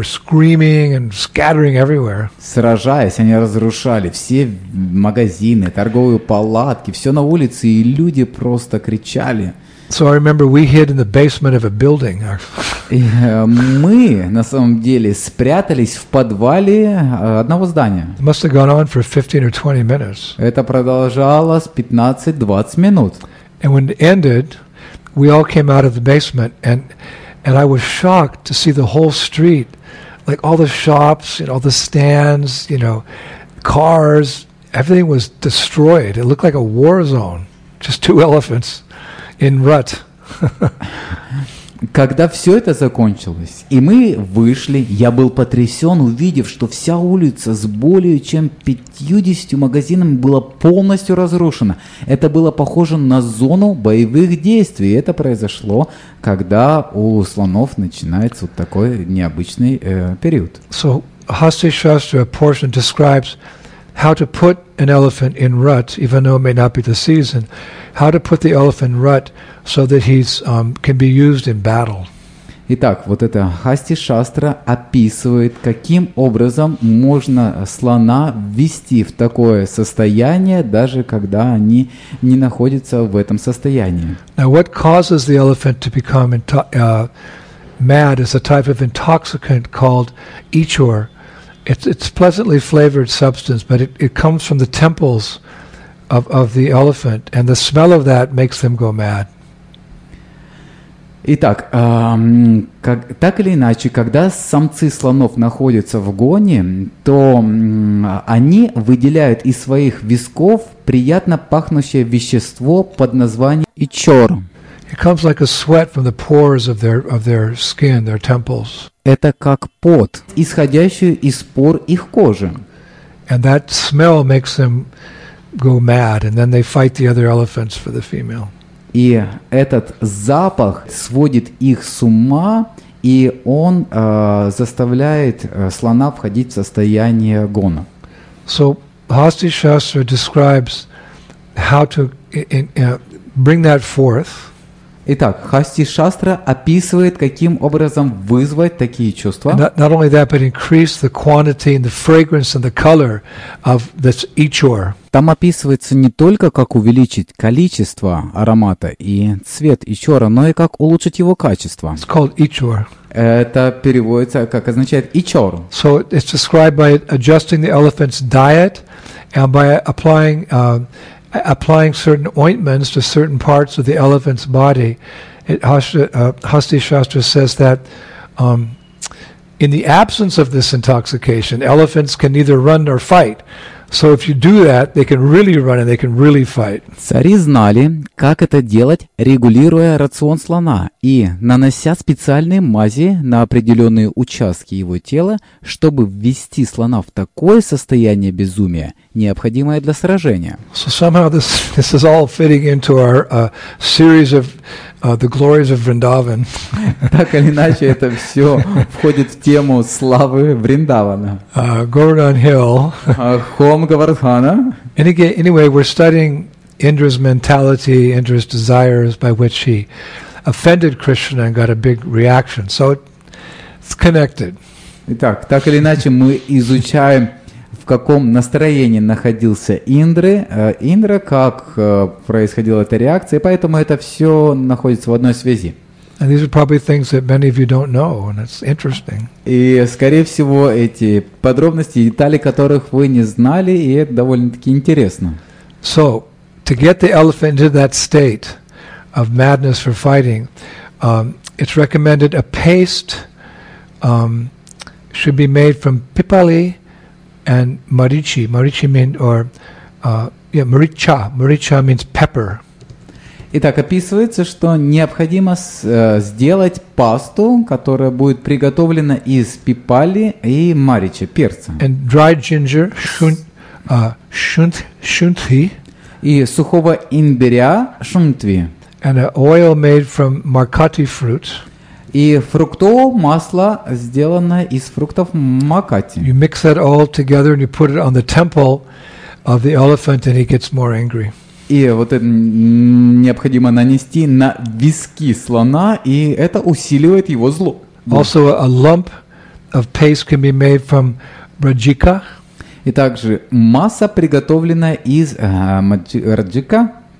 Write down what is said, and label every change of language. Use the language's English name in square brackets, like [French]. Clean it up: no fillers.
[Russian] Сражаясь, они разрушали все магазины, торговые палатки, все на улице, и люди просто кричали. [English] So I remember we hid in the basement of a building. [Russian] Мы на самом деле спрятались в подвале одного здания. [English] It must have gone on for 15 or 20 minutes. [Russian] Это продолжалось 15-20 минут. [English] And when it ended, we all came out of the basement and I was shocked to see the whole street, like all the shops, you know, all the stands, you know, cars, everything was destroyed. It looked like a war zone. Just two elephants. In rut. [Russian] Когда все это закончилось, и мы вышли, я был потрясен, увидев, что вся улица с более чем 50 магазинами была полностью разрушена. Это было похоже на зону боевых действий. Это произошло, когда у слонов начинается вот такой необычный период. [English] So, Hasti Shastra, a portion describes how to put an elephant in rut, even though it may not be the season, how to put the elephant in rut so that he's can be used in battle. [Russian] Итак, вот это Хасти Шастра описывает, каким образом можно слона ввести в такое состояние, даже когда они не находятся в этом состоянии. [English] Now, what causes the elephant to become mad is a type of intoxicant called ichor. It's pleasantly flavored substance, but it comes from the temples of the elephant, and the smell of that makes them go mad. [Russian] Итак, так или иначе, когда самцы слонов находятся в гоне, то они выделяют из своих висков приятно пахнущее вещество под названием ичор. [English] It comes like a sweat from the pores of their skin, their temples. [Russian] Это как пот, исходящий из пор их кожи. [English] And that smell makes them go mad, and then they fight the other elephants for the female. [Russian] И этот запах сводит их с ума, и он заставляет слона входить в состояние гона. [English] So Hasti Shastra describes how to bring that forth. [Russian] Итак, Хасти Шастра описывает, каким образом вызвать такие чувства. [English] Not only that, but increase the quantity and the fragrance and the color of this ichor. [Russian] Там описывается не только, как увеличить количество аромата и цвет ичора, но и как улучшить его качество. [English] It's called ichor. [Russian] Это переводится как означает ичор. [English] So it's described by adjusting the elephant's diet and by applying certain ointments to certain parts of the elephant's body. Hasti Shastra says that in the absence of this intoxication, elephants can neither run nor fight. So if you do that, they can really run and they can really fight. [Russian] Цари знали, как это делать, регулируя рацион слона и нанося специальные мази на определенные участки его тела, чтобы ввести слона в такое состояние безумия, необходимое для сражения. [English] So somehow this is all fitting into our series of The glories of Vrindavan. [Russian] Так или иначе, это все входит в тему славы Вриндавана. [English] Govardhan Hill. [Russian] Холм Говардхана. [English] Anyway, we're studying Indra's mentality, Indra's desires, by which he offended Krishna and got a big reaction. So it's connected. [Russian] Итак, так или иначе, мы изучаем, в каком настроении находился Индра, как происходила эта реакция, поэтому это все находится в одной связи. [English] And these are probably things that many of you don't know, and it's interesting. [Russian] И, скорее всего, эти подробности, детали которых вы не знали, и это довольно-таки интересно. [English] So, to get the elephant into that state of madness for fighting, it's recommended a paste should be made from pipali and marichi. Marichi means, maricha means pepper. [Russian] Итак, описывается, что необходимо сделать пасту, которая будет приготовлена из пипали и марича, перца. [English] And dried ginger, shunthi. [Russian] И сухого имбиря, шунтви. [English] And an oil made from makati fruit. [Russian] И фруктовое масло, сделанное из фруктов макати. [English] You mix that all together and you put it on the temple of the elephant and he gets more angry. [Russian] И вот это необходимо нанести на виски слона, и это усиливает его зло. [English] Also a lump of paste can be made from rajika. [Russian] И также масса, приготовленная из раджика.